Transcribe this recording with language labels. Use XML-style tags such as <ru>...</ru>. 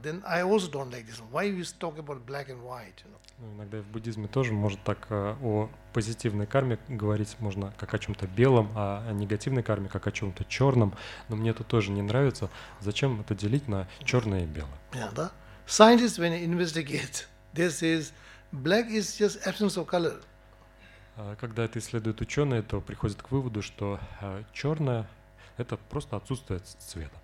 <en>Then I also don't like this. Why we talk about black and white? You know?</en> <ru>Иногда в буддизме тоже может так о позитивной карме говорить можно как о чем-то белом, а о негативной карме как о чем-то черном. Но мне это тоже не нравится. Зачем это делить на черное и белое? Yeah, да?</ru> <en>Scientists when they investigate, they say black is just absence of color.</en> <ru>Когда это исследуют ученые, то приходят к выводу, что черное – это просто отсутствие цвета.</ru>